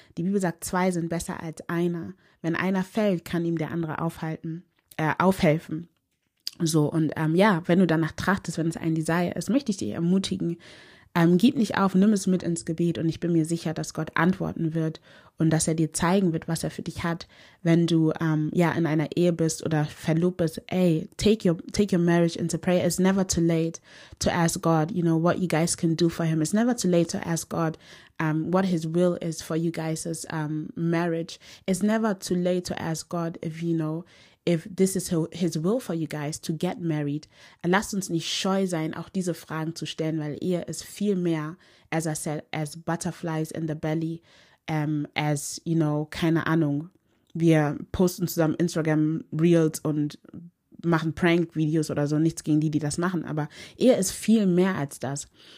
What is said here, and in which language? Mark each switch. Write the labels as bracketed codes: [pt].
[de] Die Bibel sagt, zwei sind besser als einer. Wenn einer fällt, kann ihm der andere aufhelfen. So, und wenn du danach trachtest, wenn es ein Desire ist, möchte ich dich ermutigen, gib nicht auf, nimm es mit ins Gebet und ich bin mir sicher, dass Gott antworten wird und dass er dir zeigen wird, was er für dich hat, wenn du in einer Ehe bist oder verlobt bist. [en] Ey, take your marriage into prayer. It's never too late to ask God, you know, what you guys can do for him. It's never too late to ask God what his will is for you guys' marriage. It's never too late to ask God if this is his will for you guys to get married. [de] Lasst uns nicht scheu sein, auch diese Fragen zu stellen, weil Ehe ist viel mehr, [en] as I said, as butterflies in the belly, as, you know, [de] keine Ahnung. Wir posten zusammen Instagram Reels und machen Prank-Videos oder so, nichts gegen die das machen, aber Ehe ist viel mehr als das.